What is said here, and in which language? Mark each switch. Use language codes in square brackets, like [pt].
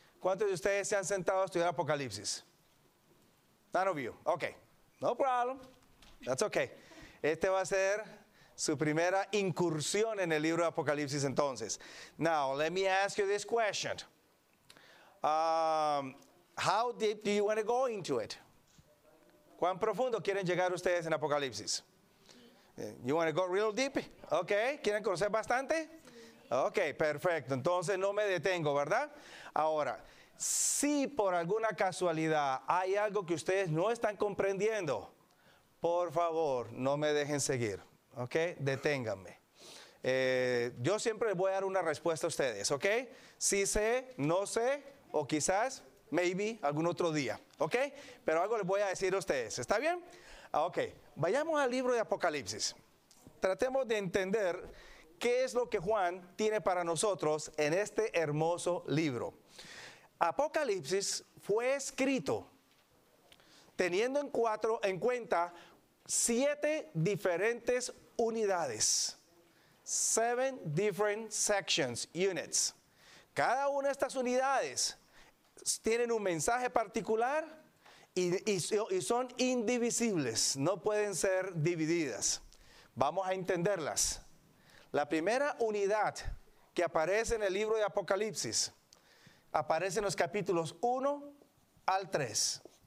[es] ¿Cuántos de ustedes se han sentado a estudiar Apocalipsis? [en] None of you. Ok, no problem. That's ok. [es] Este va a ser su primera incursión en el libro de Apocalipsis entonces. [en] Now, let me ask you this question. How deep do you want to go into it? [es] ¿Cuán profundo quieren llegar ustedes en Apocalipsis? [en] You want to go real deep? [es] Okay. ¿Quieren conocer bastante? Okay, perfecto. Entonces no me detengo, ¿verdad? Ahora, si por alguna casualidad hay algo que ustedes no están comprendiendo, por favor, no me dejen seguir. Okay, deténganme. Yo siempre les voy a dar una respuesta a ustedes, ¿okay? Si sé, no sé, o quizás, maybe, algún otro día, ¿okay? Pero algo les voy a decir a ustedes, ¿está bien? Okay, vayamos al libro de Apocalipsis. Tratemos de entender qué es lo que Juan tiene para nosotros en este hermoso libro. Apocalipsis fue escrito teniendo en cuenta siete diferentes unidades. [en] Seven different sections, units. [es] Cada una de estas unidades tienen un mensaje particular y son indivisibles. No pueden ser divididas. Vamos a entenderlas. La primera unidad que aparece en el libro de Apocalipsis aparece en los capítulos 1 al 3.